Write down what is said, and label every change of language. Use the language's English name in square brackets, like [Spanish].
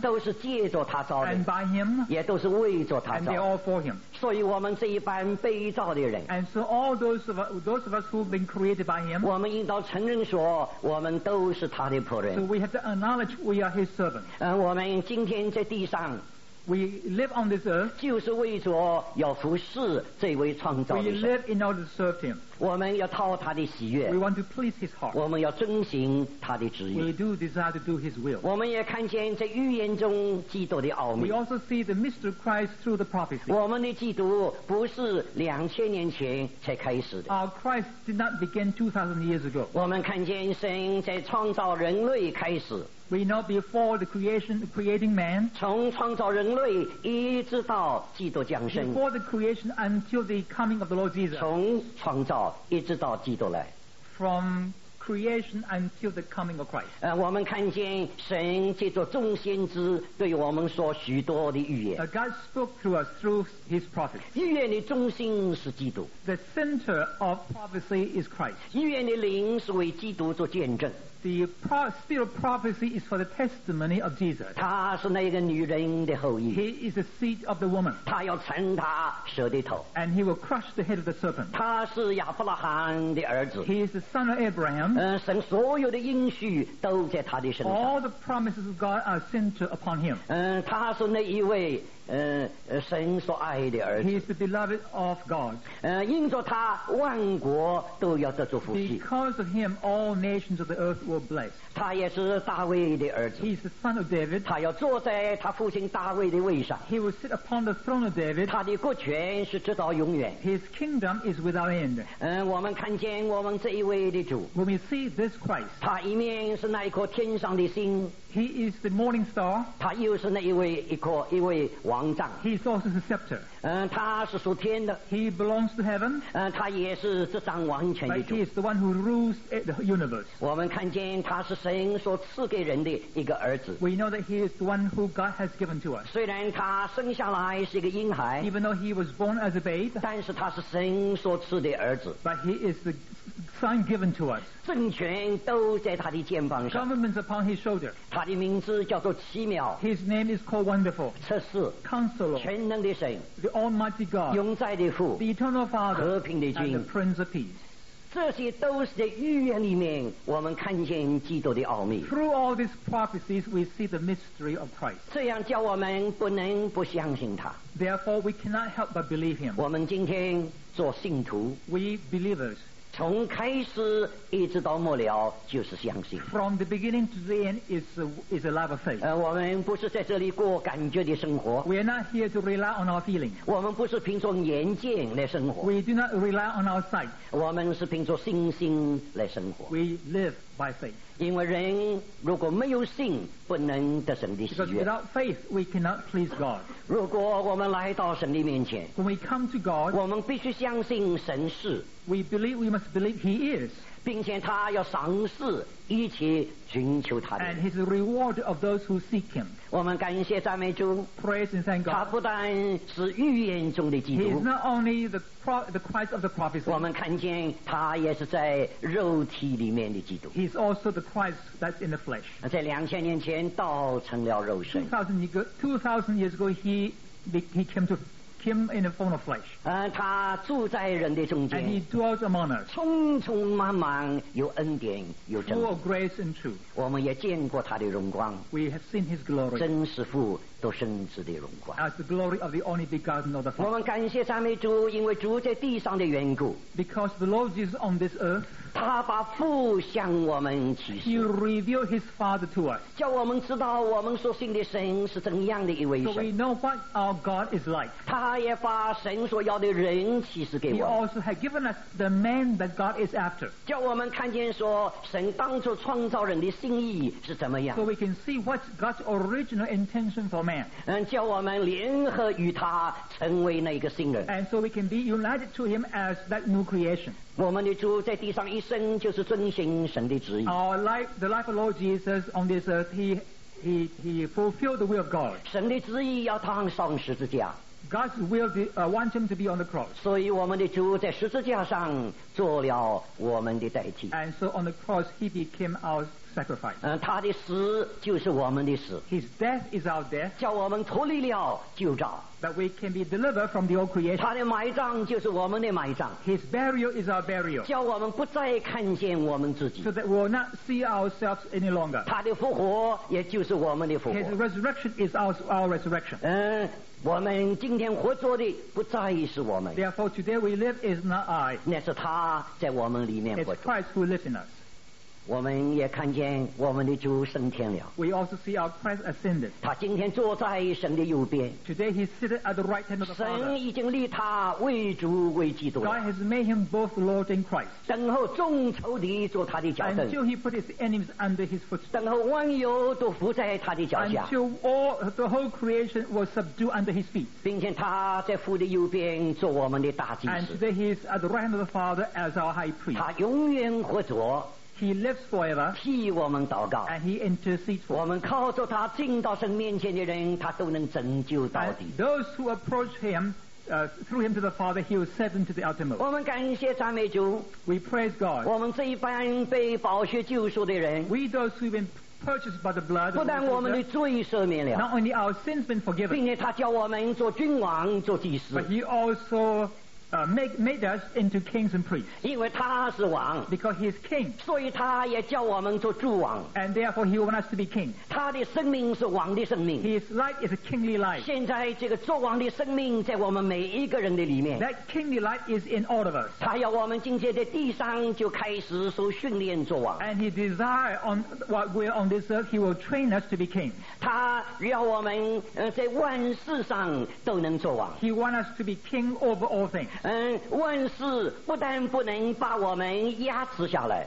[Chinese] 都是借着他造的 [English] and by him [Chinese] 也都是为着他造 [English] and they are all for him [Chinese] 所以我们这一般被造的人 [English] and so all those of us who have been created by him [Chinese] 我们应当承认说我们都是他的仆人 [English] so we have to acknowledge we are his servants [Chinese] 我们今天在地上 [English] We live on this earth. [Chinese] 就是为着要服侍这位创造者。 [English] We live in order to serve him. [Chinese] 我们要讨他的喜悦。 [English] We want to please his heart. [Chinese] 我们要遵行他的旨意。 [English] We do desire to do his will. [Chinese] 我们也看见在预言中基督的奥秘。 [English] We also see the mystery of Christ through the prophecy. [Chinese] 我们的基督不是2000年前才开始的。 [English] Our Christ did not begin 2000 years ago. [Chinese] 我们看见神在创造人类开始。 [English] We know before the creation, creating man. [Chinese] 从创造人类一直到基督降生。 [English] Before the creation until the coming of the Lord Jesus. [Chinese] 从创造一直到基督来。 [English] From creation until the coming of Christ. [Chinese] 我们看见神借着众先知对我们说许多的预言。 [English] God spoke to us through His prophets. [Chinese] 预言的中心是基督。 [English] The center of prophecy is Christ. [Chinese] 预言的灵是为基督做见证。 [English] The spirit of prophecy is for the testimony of Jesus. [Chinese] 他是那个女人的后裔。 [English] He is the seed of the woman. [Chinese] 他要成他蛇的头。 [English] And he will crush the head of the serpent. [Chinese] 他是亚伯拉罕的儿子。 [English] He is the son of Abraham. [Chinese] 神所有的应许都在他的身上。 [English] All the promises of God are centered upon him. [Chinese] 他是那一位神所爱的儿子。 [English] He is the beloved of God. [Chinese] 因着他，万国都要得着福气。 [English] Because of him, all nations of the earth were blessed. [Chinese] 他也是大卫的儿子。 [English] He is the son of David. [Chinese] 他要坐在他父亲大卫的位上。 [English] He will sit upon the throne of David. [Chinese] 他的国权是直到永远。 [English] His kingdom is without end. [Chinese] 我们看见我们这一位的主。 [English] When we see this Christ, [Chinese] 他一面是那一颗天上的星。 [English] He is the morning star. [Chinese] 他又是那一位王。 [English] He is also the scepter. [Chinese] 他是属天的。 [English] He belongs to heaven. [Chinese] 他也是这掌王权的主。 [English] He is the one who rules the universe. [Chinese] 我们看见他是神所赐给人的一个儿子。 [English] We know that he is the one who God has given to us. [Chinese] 虽然他生下来是一个婴孩。 [English] Even though he was born as a babe. [Chinese] 但是他是神所赐的儿子。 [English] But he is the sign given to us. [Chinese] 政权都在他的肩膀上。 [English] Government's upon his shoulder. [Chinese] 他的名字叫做奇妙。 [English] His name is called Wonderful. [Chinese] 测试。 [English] Counselor, [Chinese] 全能的神 [English] the Almighty God, [Chinese] 永在的父 [English] the Eternal Father, [Chinese] 和平的君 [English] and the Prince of Peace. [Chinese] 这些都是在预言里面我们看见基督的奥秘 [English] Through all these prophecies, we see the mystery of Christ. [Chinese] 这样叫我们不能不相信他 [English] Therefore, we cannot help but believe him. [Chinese] 我们今天做信徒 [English] We believers, [Chinese] 从开始一直到末了就是相信 [English] From the beginning to the end is a love of faith [Chinese] 我们不是在这里过感觉的生活 [English] We are not here to rely on our feelings [Chinese] 我们不是凭着眼见来生活 [English] We do not rely on our sight [Chinese] 我们是凭着信心来生活 [English] We live by faith [Chinese] 因为人如果没有信不能得神的喜悦 [English] Because without faith we cannot please God [Chinese] 如果我们来到神的面前 [English] When we come to God [Chinese] 我们必须相信神是 [English] We believe, we must believe he is. [Chinese] 并且他要赏赐一切寻求他的。 [English] And he's the reward of those who seek him. [Chinese] 我们感谢赞美主。 [English] Praise and thank God. [Chinese] 他不但是预言中的基督。 [English] He is not only the Christ of the prophecy. [Chinese] 我们看见他也是在肉体里面的基督。 [English] He's also the Christ that's in the flesh. [Chinese] 在2000年前道成了肉身。 [English] 2000 years ago, he came to Him in the form of flesh. [Chinese] 他住在人的中间。 [English] And he dwells among us. [Chinese] 充充满满有恩典有真理。 [English] Full of grace and truth. [Chinese] 我们也见过他的荣光。 [English] We have seen his glory. [Chinese] 真是父独生子的荣光。 [English] As the glory of the only begotten of the Father. [Chinese] 我们感谢赞美主，因为主在地上的缘故。 [English] Because the Lord is on this earth. [Chinese] 他把父向我们启示。 [English] He revealed his Father to us. [Chinese] 叫我们知道我们所信的神是怎样的一位神。 [English] So we know what our God is like. [Chinese] 他也把神所要的人启示给我们。 [English] He also has given us the man that God is after. [Chinese] 叫我们看见说神当初创造人的心意是怎么样。 [English] So we can see what God's original intention for man. [Chinese] 叫我们联合与他成为那个新人。 [English] And so we can be united to him as that new creation. [Chinese] 我们的主在地上一生就是遵行神的旨意。 [English] Our life, the life of Lord Jesus on this earth, he fulfilled the will of God. [Chinese] 神的旨意要他上十字架。 [English] God's will want him to be on the cross. [Chinese] 所以我们的主在十字架上做了我们的代替。 [English] And so on the cross, he became our sacrifice. [Chinese] 他的死就是我们的死。 [English] His death is our death. [Chinese] 叫我们脱离了旧帐。 [English] That we can be delivered from the old creation. [Chinese] 他的埋葬就是我们的埋葬。 [English] His burial is our burial. [Chinese] 叫我们不再看见我们自己。 [English] So that we will not see ourselves any longer. [Chinese] 他的复活也就是我们的复活。 [English] His resurrection is our resurrection. [Chinese] 我们今天活着的不在于是我们。 [English] Therefore, today we live is not I. [Chinese] 那是他在我们里面活着。 [English] It's Christ who lives in us. [Chinese] 我们也看见我们的主升天了。 [English] We also see our Christ ascended. [Chinese] 他今天坐在神的右边。 [English] Today he's seated at the right hand of the Father. [Chinese] 神已经立他为主为基督了。 [English] God has made him both Lord and Christ. [Chinese] 等候众仇敌做他的脚凳。 [English] Until he put his enemies under his foot. [Chinese] 等候万有都伏在他的脚下。 [English] Until the whole creation was subdued under his feet. [Chinese] 并且他在父的右边做我们的大祭司。 [English] And today he is at the right hand of the Father as our high priest. [Chinese] 他永远活着。 [English] He lives forever, [Chinese] 替我们祷告 [English] and he intercedes for us. [Chinese] 我们靠着他进到神面前的人，他都能拯救到底。 [English] Those who approach him, through him to the Father, he will save them to the uttermost. [Chinese] 我们感谢赞美主。 [English] We praise God. [Chinese] 我们这一般被宝血救赎的人。 [English] We those who have been purchased by the blood. [Chinese] 不但我们的罪赦免了。 [English] Not only our sins been forgiven. [Chinese] 并且他叫我们做君王，做祭司。 [English] But he also made us into kings and priests. [Chinese] 因为他是王, [English] because he is king. [Chinese] 所以他也叫我们做诸王。 [English] And therefore he wants us to be king. [Chinese] 他的生命是王的生命。 [English] His life is a kingly life. [Chinese] 现在这个做王的生命在我们每一个人的里面。 [English] That kingly life is in all of us. [Chinese] 他要我们今天在地上就开始受训练做王。 [English] And he desires on what we are on this earth, he will train us to be king. [Chinese] 他要我们在万事上都能做王。 [English] He wants us to be king over all things. [Chinese] 万事不但不能把我们压制下来